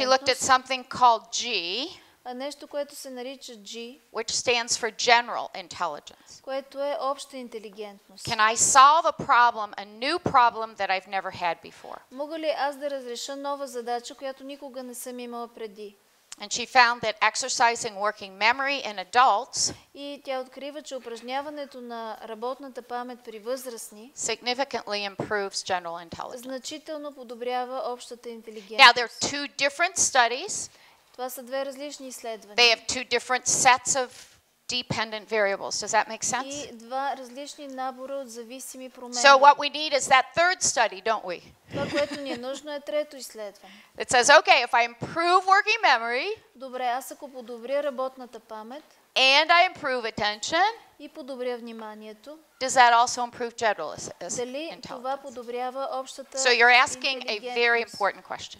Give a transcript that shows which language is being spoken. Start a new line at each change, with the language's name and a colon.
English: She looked at something called G.
Bulgarian: Нещо, което се нарича G.
English: Which stands for general intelligence.
Bulgarian: Което е обща интелигентност.
English: Can I solve a problem, a new problem that I've never had before?
Bulgarian: Мога ли аз да разреша нова задача, която никога не съм имала преди?
English: And she found that exercising working memory in adults
Bulgarian: и тя открива, че упражняването на работната памет при възрастни
English: significantly improves general intelligence.
Bulgarian: Значително подобрява общата интелигентност.
English: Now there are two different studies.
Bulgarian: Това са две различни изследвания.
English: They have two different sets of dependent variables. Does that make sense?
Bulgarian: И два различни набора от зависими промени.
English: So what we need is that third study, don't we?
Bulgarian: Това, което ни е нужно, е трето изследване.
English: It says, okay, if I improve working memory,
Bulgarian: добре, аз ако подобря работната памет,
English: and I improve attention,
Bulgarian: и подобря вниманието,
English: does that also improve general intelligence?
Bulgarian: Дали това подобрява общата интелигентност?
English: So you're asking a very important question.